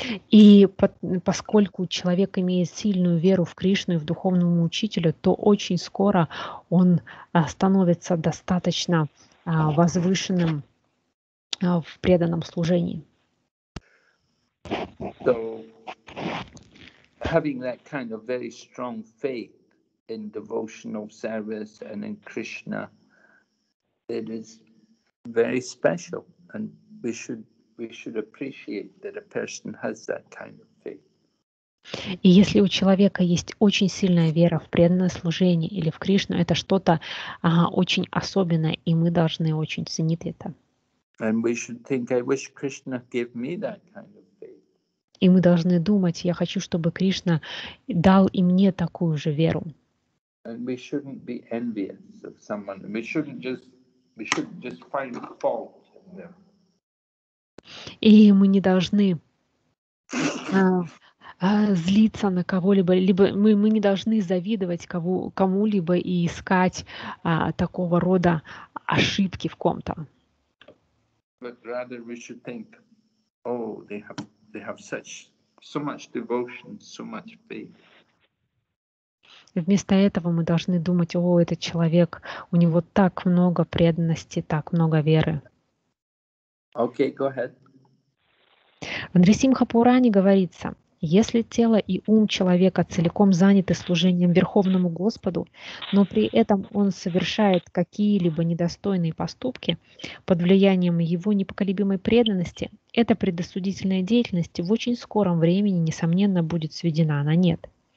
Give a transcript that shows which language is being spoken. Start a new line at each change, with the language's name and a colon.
Russian: И поскольку человек имеет сильную веру в Кришну и в духовному учителя, то очень скоро он становится достаточно возвышенным в преданном служении.
English: So, having that kind of very strong faith in devotional service and in Krishna, it is very special, and we should appreciate that a person has that kind of faith.
Russian: И если у человека есть очень сильная вера в преданное служение или в Кришну, это что-то очень особенное, и мы должны очень ценить это.
English: And we should think, I wish Krishna gave me that kind of faith.
Russian: И мы должны думать, я хочу, чтобы Кришна дал и мне такую же веру.
English: And we shouldn't be envious of someone. We shouldn't just find fault in them.
Russian: И мы не должны злиться на кого-либо, либо мы не должны завидовать кому-либо и искать такого рода ошибки в ком-то.
English: But rather we should think, oh, they have such so much devotion, so much faith.
Russian: Вместо этого мы должны думать, о, этот человек, у него так много преданности, так много веры.
English: Okay, go ahead.
Russian: В Нарисимха Пуране говорится, если тело и ум человека целиком заняты служением Верховному Господу, но при этом он совершает какие-либо недостойные поступки под влиянием его непоколебимой преданности, эта предосудительная деятельность в очень скором времени, несомненно, будет сведена на нет.